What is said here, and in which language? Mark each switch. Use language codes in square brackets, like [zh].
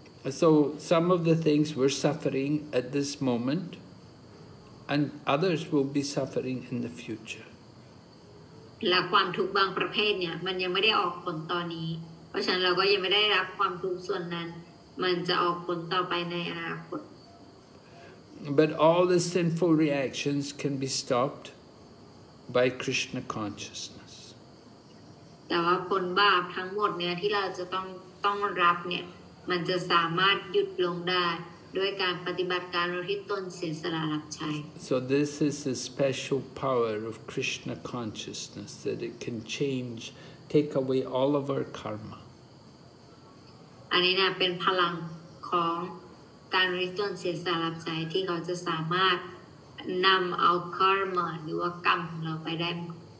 [en] So some of the things we're suffering at this moment, and others will be suffering in the future. [th] และความทุกข์บางประเภทเนี่ยมันยังไม่ได้ออกผลตอนนี้เพราะฉะนั้นเราก็ยังไม่ได้รับความทุกข์ส่วนนั้นมันจะออกผลต่อไปในอนาคต [en] But all the sinful reactions can be stopped by Krishna consciousness [th] แต่ว่าผลบาปทั้งหมดเนี่ยที่เราจะต้องรับเนี่ยมันจะสามารถหยุดลงได้ด้วยการปฏิบัติการอุทิศตนเสียสละรับใช้ [en] So this is the special power of Krishna consciousness that it can change, take away all of our karma. [th] อันนี้นะเป็นพลังของการริจนเสียสละรับใช้ที่เขาจะสามารถนำเอา karma หรือว่ากรรมของเราไปได้หมด